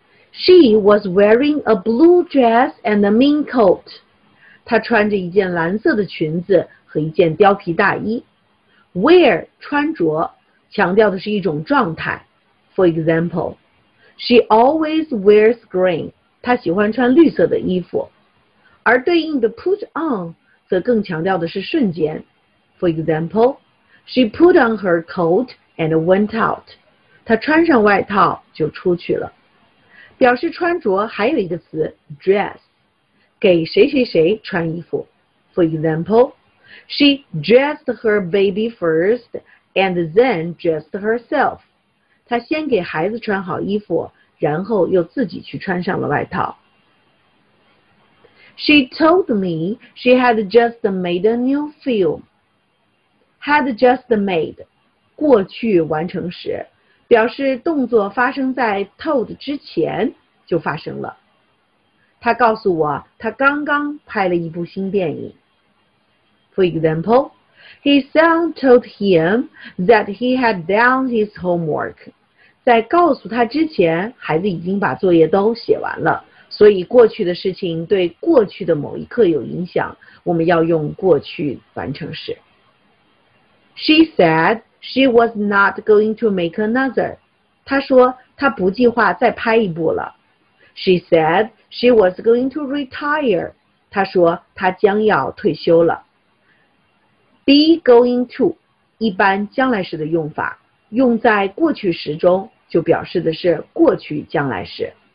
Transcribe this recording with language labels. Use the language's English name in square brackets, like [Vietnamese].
[English] She was wearing a blue dress and a mink coat. [Chinese] 她穿着一件蓝色的裙子和一件貂皮大衣。 Wear, 穿着，强调的是一种状态。 [English] For example, she always wears green. [Chinese] 她喜欢穿绿色的衣服。而对应的 [English] put on, [Chinese] 则更强调的是瞬间。 [English] For example, she put on her coat and went out. [Chinese] 她穿上外套就出去了。表示穿着还有一个词 dress， 给谁谁谁穿衣服。 [English] For example, she dressed her baby first and then dressed herself. [Chinese] 她先给孩子穿好衣服，然后又自己去穿上了外套。 [English] She told me she had just made a new film. Had just made， [Chinese] 过去完成时。表示动作发生在 told 之前就发生了。他告诉我他刚刚拍了一部新电影。 [English] For example, his son told him that he had done his homework. [Chinese] 在告诉他之前，孩子已经把作业都写完了。所以过去的事情对过去的某一刻有影响，我们要用过去完成时。 [English] She said,She was not going to make another. [Chinese] 她说她不计划再拍一部了。 [English] She said she was going to retire. [Chinese] 她说她将要退休了。 [English] Be going to, [Chinese] 一般将来时的用法，用在过去时中就表示的是过去将来时。